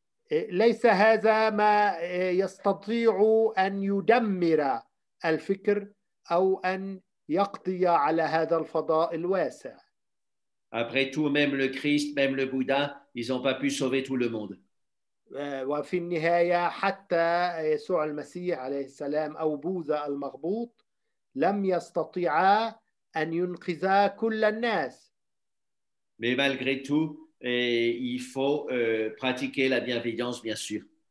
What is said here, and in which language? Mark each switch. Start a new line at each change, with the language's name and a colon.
Arabic: ليس هذا ما يستطيع أن يدمر الفكر أو أن يقضي على هذا الفضاء الواسع.
French: Après tout, même le Christ, même le Bouddha, ils n'ont pas pu sauver tout le monde.
Arabic: وفي النهاية حتى يسوع المسيح عليه السلام أو بوذا المغبوط لم يستطيع أن ينقذ كل الناس.
French: Mais malgré tout, et il faut pratiquer la bienveillance, bien sûr.